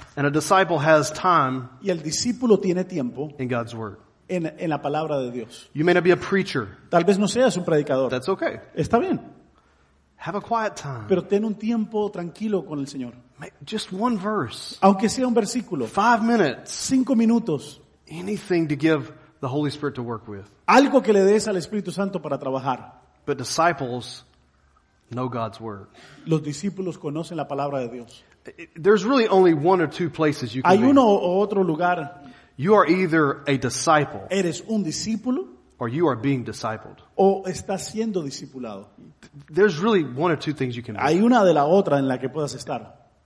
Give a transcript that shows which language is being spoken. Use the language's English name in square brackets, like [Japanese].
[English] And a disciple has time. [Spanish] Y el discípulo tiene tiempo. [English] In God's word. [Spanish] En la palabra de Dios. [English] You may not be a preacher. [Spanish] Tal vez no seas un predicador. [English] That's okay. [Spanish] Está bien. [English] Have a quiet time. [Spanish] Pero ten un tiempo tranquilo con el Señor. [English] Just one verse. [Spanish] Aunque sea un versículo. [English] 5 minutes. [Spanish] 5 minutos. [English] Anything to give the Holy Spirit to work with. [Spanish] Algo que le des al Espíritu Santo para trabajar. [English] But disciples know God's word. [Spanish] Los discípulos conocen la palabra de Dios. [English] There's really only one or two places you can be. [Spanish] Hay uno o otro lugar. [English] You are either a disciple. [Spanish] Eres un discípulo. [English] Or you are being discipled. [Spanish] O estás siendo discipulado. [English] There's really one or two things you can be. [Spanish] Hay una de la otra en la que puedas estar.